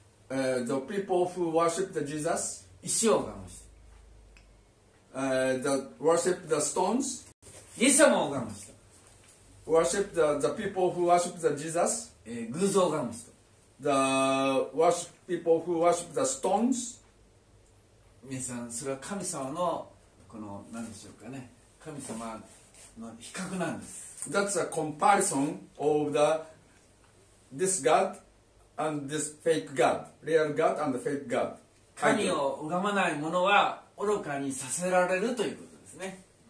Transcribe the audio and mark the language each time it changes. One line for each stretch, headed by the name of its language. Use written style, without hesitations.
English: The people who worship the Jesus,
Japanese: 石を拝む人。
English: The worship the stones,
Japanese: イエス様を拝む人。
English: Worship the people who worship the Jesus,
Japanese: 偶像を拝む人。
English: The worship people who worship the stones,
Japanese: 皆さん、それは神様のこの何でしょうかね、神様の比較なんです。
English: That's a comparison of the this God. And this fake God, real God and fake God.
Japanese: 神を拝まない者は愚かにさせられるということですね。